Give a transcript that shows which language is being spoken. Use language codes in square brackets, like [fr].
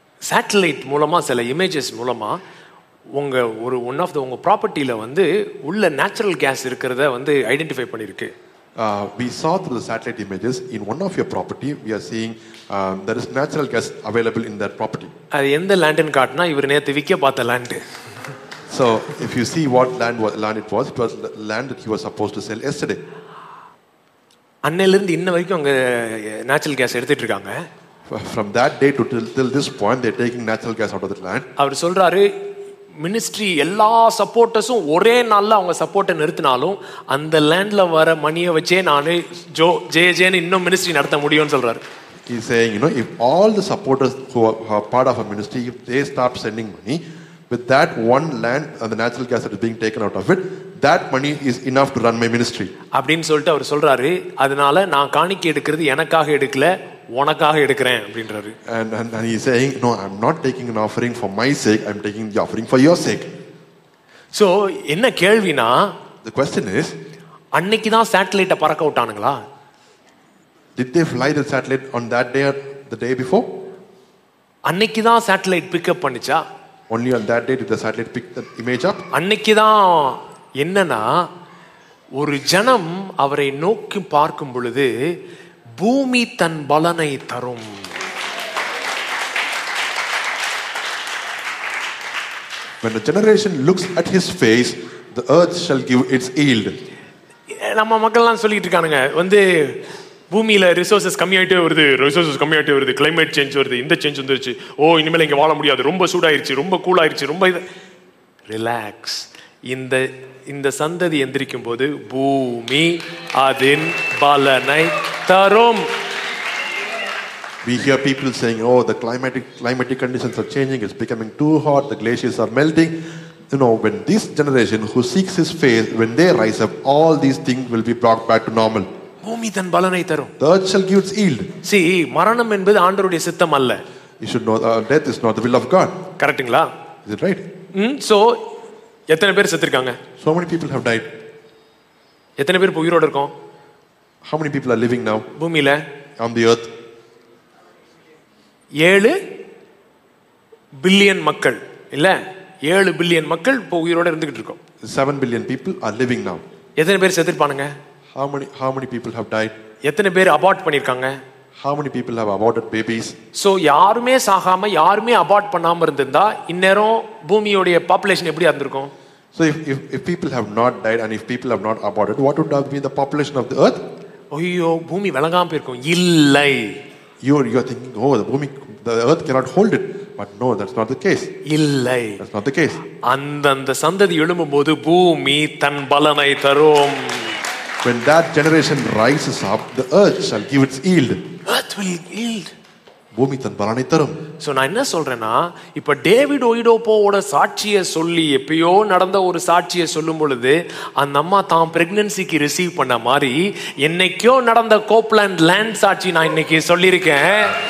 [ta] Satellite மூலமாக சில images மூலமாக உங்கள் ஒரு ஒன் ஆஃப் த உங்கள் ப்ராப்பர்ட்டியில் வந்து உள்ள நேச்சுரல் கேஸ் இருக்கிறத வந்து ஐடென்டிஃபை பண்ணியிருக்கு. [en] We saw through the satellite images, in one of your property, we are seeing there is natural gas available in that property. [ta] அது எந்த லேண்டுன்னு காட்டினா இவர் நேற்று விற்க பார்த்த land. [en] So, if you see what land it was, it was the land that he was supposed to sell yesterday. [ta] அன்னையிலிருந்து இன்ன வரைக்கும் அங்கே நேச்சுரல் கேஸ் எடுத்துகிட்டு இருக்காங்க. [en] From that day to till this point, they're taking natural gas out of the land. [ta] அவர் சொல்றாரு, ministry எல்லா சப்போர்ட்டர்ஸும் ஒரே நாள்ல அவங்க சப்போர்ட்ட நிறுத்தினாலும் அந்த லேண்ட்ல வர மணியை வச்சே நானு ஜோ ஜேஜேன்னு இன்னும் ministry நடத்த முடியும்னு சொல்றாரு. [en] He is saying, you know, if all the supporters who are part of a ministry, if they stop sending money, with that one land and the natural gas that is being taken out of it, that money is enough to run my ministry. [ta] அப்படினு சொல்லிட்டு அவர் சொல்றாரு, அதனால நான் காணிக்கை எடுக்கிறது எனக்காக எடுக்கல, உனக்காக எடுக்கிறேன் அப்படின்றாரு. [en] And he is saying, no, I'm not taking an offering for my sake, I'm taking the offering for your sake. [ta] So என்ன கேள்வினா, [en] the question is, [ta] அன்னைக்கு தான் சேட்டலைட்ட பறக்க விட்டானுங்களா? [en] Did they fly the satellite on that day or the day before? [ta] அன்னைக்கு தான் satellite pick up பண்ணுச்சா? [en] Only on that day did the satellite pick the image up. [ta] அன்னைக்கு தான் என்னன்னா, ஒரு ஜனம் அவரை நோக்கி பார்க்கும் பொழுது பூமி தன் பலனை தரும். [en] When a generation looks at his face, the earth shall give its yield. [ta] நம்ம மக்கள் எல்லாம் சொல்லிட்டு இருக்கானுங்க, வந்து பூமியில ரிசோர்சஸ் கம்மியாயிட்டே வருது, ரிசோர்சஸ் கம்மியாயிட்டே வருது, கிளைமேட் சேஞ்ச் வருது, இந்த சேஞ்ச் வந்துருச்சு, ஓ இனிமேல் இங்க வாழ முடியாது, ரொம்ப சூடாயிருச்சு, ரொம்ப கூலாயிருச்சு, ரொம்ப இது. ரிலாக்ஸ், இந்த சந்ததி எந்திரிக்கும் போது பூமி அதன் பலனை தரும். [en] We hear people saying, oh, the climatic conditions are changing, it's becoming too hot, the glaciers are melting. You know, when this generation who seeks his face, when they rise up, all these things will be brought back to normal. [ta] பூமி தன் பலனை தரும். [en] The earth shall give its yield. [ta] See, மரணம் என்பது ஆண்டவருடைய சித்தம் அல்ல. [en] You should know that death is not the will of God. [ta] கரெக்ட்டுங்களா? [en] Is it right? [ta] So எத்தனை பேர் செத்துருக்காங்க? [en] So many people have died. [ta] எத்தனை பேர் உயிரோட இருக்கோம்? [en] How many people are living now? [ta] பூமியில? [en] On the earth. [ta] 7 billion மக்கள் இல்ல, 7 billion மக்கள் இப்போ உயிரோட இருந்துகிட்டு இருக்கோம். [en] 7 billion people are living now. [ta] எத்தனை பேர் செத்துருப்பானுங்க? [en] How many people have died? [ta] எத்தனை பேர் அபார்ட் பண்ணிருக்காங்க? [en] How many people have aborted babies? [ta] So யாருமே சாகாம, யாருமே அபார்ட் பண்ணாம இருந்திருந்தா இன்னேரோ பூமியோட பாப்புலேஷன் எப்படி இருந்திருக்கும்? [en] So if people have not died and if people have not aborted, what would have been the population of the earth? [ta] ஐயோ, பூமி விளங்காம போயிருக்கும். இல்லை. [en] You are thinking, oh, the the earth cannot hold it. But no, that's not the case. [ta] இல்லை. [en] That's not the case. [ta] அந்தந்த சந்ததி எழும்போது பூமி தன் பலனை தரும். [en] When that generation rises up, the earth shall give its yield. Earth will yield. [ta] பூமி தன் பலனை தரும். சோ நான் என்ன சொல்றேன்னா, இப்ப டேவிட் ஒயிடோப்போவோட சாட்சியை சொல்லி எப்பயோ நடந்த ஒரு சாட்சியை சொல்லும் பொழுது அந்த அம்மா தான் பிரெக்னன்சிக்கு ரிசீவ் பண்ண மாதிரி என்னைக்கோ நடந்த கோப்லாண்ட் லேண்ட் சாட்சி நான் இன்னைக்கு சொல்லியிருக்கேன்.